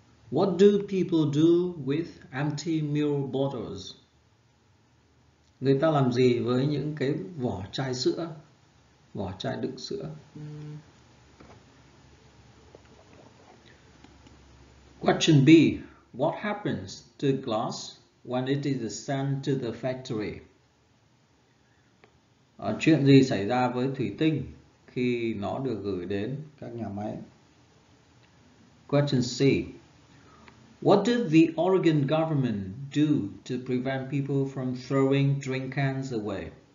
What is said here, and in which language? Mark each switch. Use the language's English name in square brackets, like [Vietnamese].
[English] What do people do with empty milk bottles? [Vietnamese] Người ta làm gì với những cái vỏ chai sữa, vỏ chai đựng sữa? [English] Question B. What happens to glass when it is sent to the factory? [Vietnamese] Chuyện gì xảy ra với thủy tinh khi nó được gửi đến các nhà máy? [English] Question C. What did the Oregon government do to prevent people from throwing drink cans away?